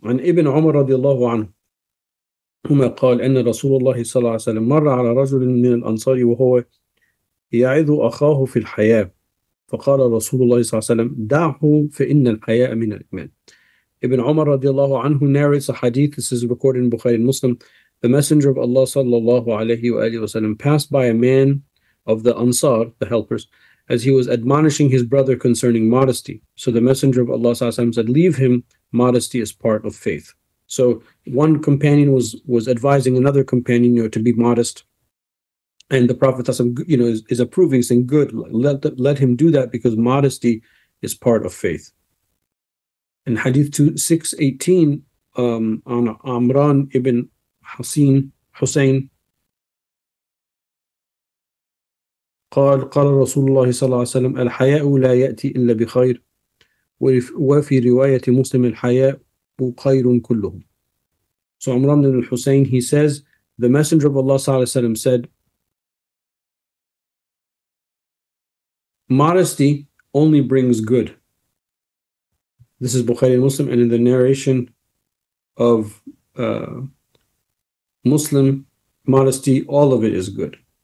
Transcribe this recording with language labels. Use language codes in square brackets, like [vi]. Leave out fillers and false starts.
[ar] عن ابن عمر رضي الله عنهما قال أن رسول الله صلى الله عليه وسلم مر على رجل من الأنصار وهو يعظ أخاه في الحياء فقال رسول الله صلى الله عليه وسلم دعه فإن الحياء من الإيمان. [en] Ibn Umar radiallahu anhu narrates a hadith. This is recorded in Bukhari and Muslim. The Messenger of Allah sallallahu alayhi wa alayhi wa sallam passed by a man of the Ansar, the helpers, as he was admonishing his brother concerning modesty. So the Messenger of Allah sallallahu alayhi wa sallam said, leave him, modesty is part of faith. So one companion was advising another companion to be modest. And the Prophet ﷺ, you know, is approving, saying, good, let him do that, because modesty is part of faith. In Hadith 2:618, on Amran ibn Hussein, [ar] قال رسول الله صلى الله عليه وسلم الحياء لا يأتي إلا بخير وفي رواية مسلم الحياء خير كلهم. [en] So Amran ibn Hussein, he says, the Messenger of Allah صلى الله عليه وسلم said, modesty only brings good. This is Bukhari and Muslim, and in the narration of Muslim, modesty, all of it is good.